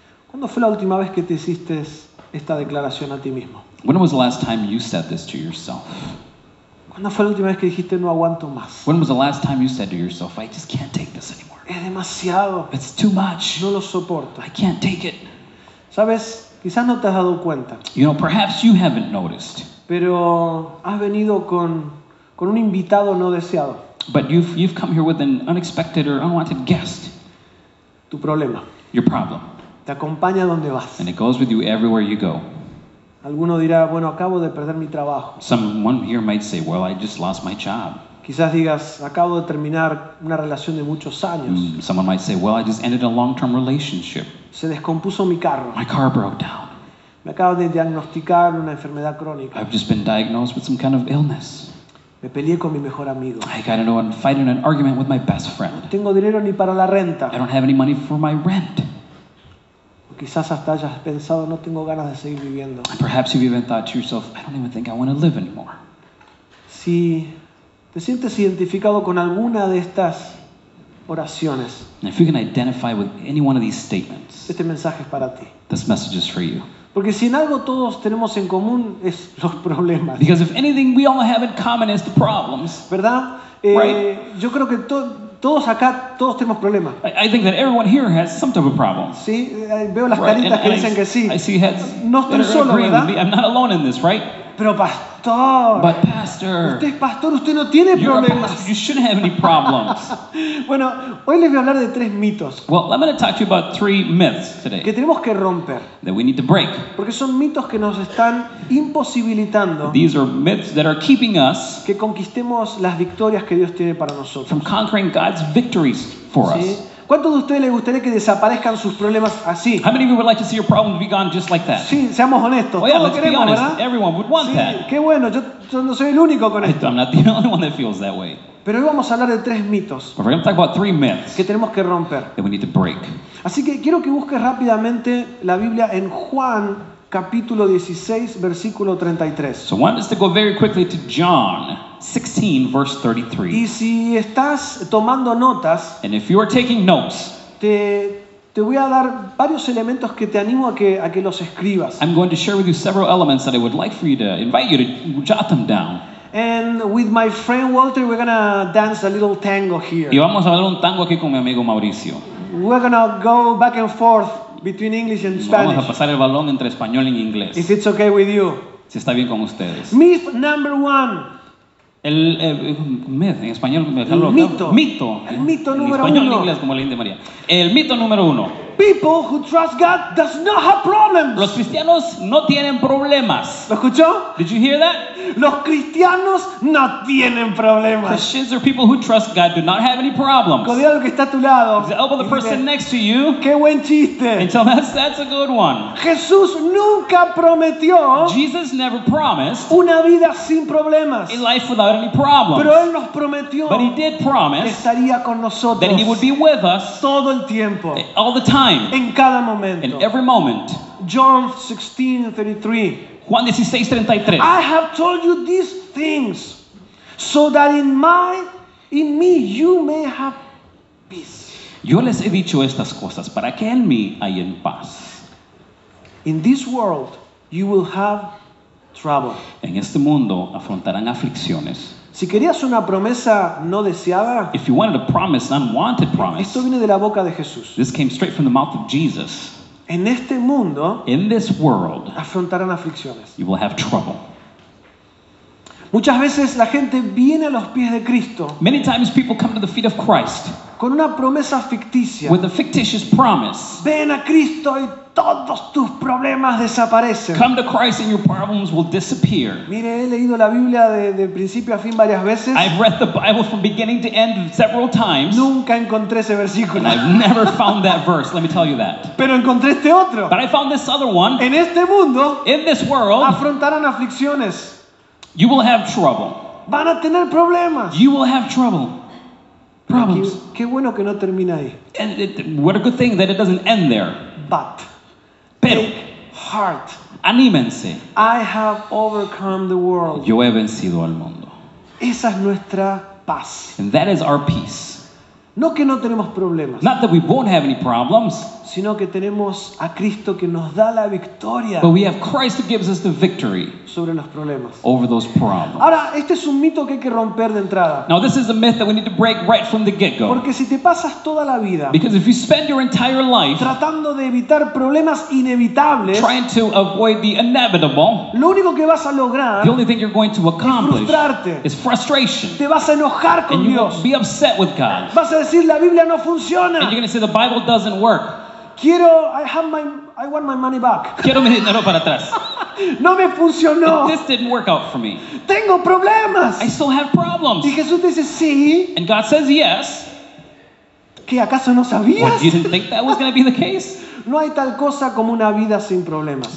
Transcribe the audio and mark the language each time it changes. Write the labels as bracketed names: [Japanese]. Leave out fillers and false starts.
[Spanish] ¿Cuándo fue la última vez que te hiciste esta declaración a ti mismo? [English] When was the last time you said this to yourself? [Spanish] ¿Cuándo fue la última vez que dijiste no aguanto más? [English] When was the last time you said to yourself, I just can't take this anymore? [Spanish] Es demasiado. [English] It's too much. [Spanish] No lo soporto. [English] I can't take it. [Spanish] ¿Sabes? Quizás no te has dado cuenta. [English] You know, perhaps you haven't noticed. [Spanish] Pero has venido con un invitado no deseado. [English] But you've come here with an unexpected or unwanted guest. [Spanish] Tu problema. [English] Your problem. [Spanish] Te acompaña donde vas. [English] And it goes with you everywhere you go. [Spanish] Alguno dirá, bueno, acabo de perder mi trabajo. [English] Someone here might say, well, I just lost my job. [Spanish] Quizás digas, acabo de terminar una relación de muchos años. [English] Someone might say, well, I just ended a long-term relationship. [Spanish] Se descompuso mi carro. [English] My car broke down. [Spanish] Me acabo de diagnosticar una enfermedad crónica. [English] I've just been diagnosed with some kind of illness. [Spanish] Me peleé con mi mejor amigo. [English] I got into a fight and an argument with my best friend. [Spanish] No tengo dinero ni para la renta. [English] I don't have any money for my rent. [Spanish] O quizás hasta hayas pensado, no tengo ganas de seguir viviendo. [English] And perhaps you've even thought to yourself, I don't even think I want to live anymore. [Spanish] Si te sientes identificado con alguna de estas oraciones. [English] And if you can identify with any one of these statements, [Spanish] este mensaje es para ti. [English] This message is for you. [Spanish] Porque si en algo todos tenemos en común es los problemas. [English] Because if anything we all have in common is the problems. [Spanish] ¿Verdad? [English] Right. [Spanish] Yo creo que todos acá, todos tenemos problemas. [English] I think that everyone here has some type of problem. [Spanish] Sí, veo las caritas que dicen que sí. [English] I see heads. [Spanish] No estoy solo, ¿verdad? [English] I'm not alone in this, right? [Spanish] Pero pastor. [English] But pastor. [Spanish] Usted es pastor, usted no tiene problemas. [English] You shouldn't have any problems. [Spanish] Bueno, hoy les voy a hablar de tres mitos. [English] Well, I'm going to talk to you about three myths today. [Spanish] Que tenemos que romper. [English] That we need to break. [Spanish] Porque son mitos que nos están imposibilitando. [English] These are myths that are keeping us. [Spanish] Que conquistemos las victorias que Dios tiene para nosotros. [English] From conquering God's victories for us. [Spanish] ¿Sí? ¿Cuántos de ustedes les gustaría que desaparezcan sus problemas así? [English] How many of you would like to see your problems be gone just like that? [Spanish] Sí, seamos honestos. [English] Well, yeah, [Spanish] todos queremos, [English] honest, [Spanish] ¿verdad? [English] Everyone would want [Spanish] sí, [English] that. [Spanish] Qué bueno, yo no soy el único con esto. [English] I'm not the only one that feels that way. [Spanish] Pero hoy vamos a hablar de tres mitos. [English] But we're going to talk about three myths [Spanish] que tenemos que romper. [English] That we need to break. [Spanish] Así que quiero que busques rápidamente la Biblia en Juan capítulo 16, versículo 33. [English] So I want us to go very quickly to John 16, verse 33. [Spanish] Y si estás tomando notas, [English] and if you are taking notes, [Spanish] te voy a dar varios elementos que te animo a que los escribas. [English] I'm going to share with you several elements that I would like for you to invite you to jot them down. And with my friend Walter, we're going to dance a little tango here. [Spanish] Y vamos a bailar un tango aquí con mi amigo Mauricio. [English] We're going to go back and forth between English and Spanish. [Spanish] Vamos a pasar el balón entre español y inglés. [English] If it's okay with you. [Spanish] Si está bien con ustedes. [English] Myth number one. [Spanish] El en español. El mito. Claro. Mito. El mito número español, uno. En español, en inglés, como la Inde María. El mito número uno. [English] People who trust God does not have problems. [Spanish] Los cristianos no tienen problemas. ¿Lo escuchó? [English] Did you hear that? [Spanish] Los cristianos no tienen problemas. [English] Christians or people who trust God do not have any problems. [Spanish] Codea lo que está a tu lado. [English] Elbow the person next to you. [Spanish] Qué buen chiste. [English] And tell them that's a good one. [Spanish] Jesús nunca prometió. [English] Jesus never promised. [Spanish] Una vida sin problemas. [English] A life without any problems. [Spanish] Pero él nos prometió. [English] But he did promise. [Spanish] Que estaría con nosotros. [English] That he would be with us. [Spanish] Todo el tiempo. [English] All the time. [Spanish] En cada momento. [English] In every moment. John 16:33. [Spanish] Juan 16:33. [English] I have told you these things so that in me you may have peace. [Spanish] Yo les he dicho estas cosas para que en mí hayan paz. [English] In this world you will have trouble. [Spanish] En este mundo afrontarán aflicciones. Si querías una promesa no deseada, [English] if you wanted a promise, an unwanted promise, [Spanish] esto viene de la boca de Jesús. [English] This came straight from the mouth of Jesus. [Spanish] En este mundo, [English] in this world, [Spanish] afrontarán aflicciones. [English] You will have trouble. [Spanish] Muchas veces la gente viene a los pies de Cristo. [English] Many times people come to the feet of Christ. [Spanish] Con una promesa ficticia. [English] With a fictitious promise. [Spanish] Ven a Cristo y todos tus problemas desaparecen. [English] Come to Christ and your problems will disappear. [Spanish] Mire, he leído la Biblia de principio a fin varias veces. [English] I've read the Bible from beginning to end several times. [Spanish] Nunca encontré ese versículo. [English] And I've never found that verse, let me tell you that. [Spanish] Pero encontré este otro. [English] But I found this other one. [Spanish] En este mundo, [English] in this world, [Spanish] afrontarán aflicciones. [English] You will have trouble. [Spanish] Van a tener problemas. [English] You will have trouble. Problems. [Spanish] Qué bueno que no termina ahí. [English] And what a good thing that it doesn't end there. But. [Spanish] Pero. [English] Take heart. [Spanish] Anímense. [English] I have overcome the world. [Spanish] Yo he vencido al mundo. Esa es nuestra paz. [English] And that is our peace. [Spanish] No que no tenemos problemas. [English] Not that we won't have any problems. [Spanish] Sino que tenemos a Cristo que nos da la victoria. [English] But we have Christ who gives us the victory. [Spanish] Sobre los problemas. [English] Over those problems. [Spanish] Ahora, este es un mito que hay que romper de entrada. [English] Now this is a myth that we need to break right from the get-go. [Spanish] Porque si te pasas toda la vida. [English] Because if you spend your entire life. [Spanish] Tratando de evitar problemas inevitables. [English] Trying to avoid the inevitable. [Spanish] Lo único que vas a lograr. [English] The only thing you're going to accomplish. [Spanish] Es frustrarte. [English] Is frustration. [Spanish] Te vas a enojar con [English] and [Spanish] Dios. [English] And you'll be upset with God. [Spanish] Vas a decir, la Biblia no funciona. [English] And you're going to say the Bible doesn't work. [Spanish] Quiero, [English] I want my money back. [Spanish] Quiero mi dinero para atrás. No me funcionó. [English] This didn't work out for me. [Spanish] Tengo problemas. [English] I still have problems. [Spanish] Y Jesús dice sí. [English] And God says yes. [Spanish] ¿Qué acaso no sabías? [English] What, you didn't think that was going to be the case? [Spanish] No hay tal cosa como una vida sin problemas.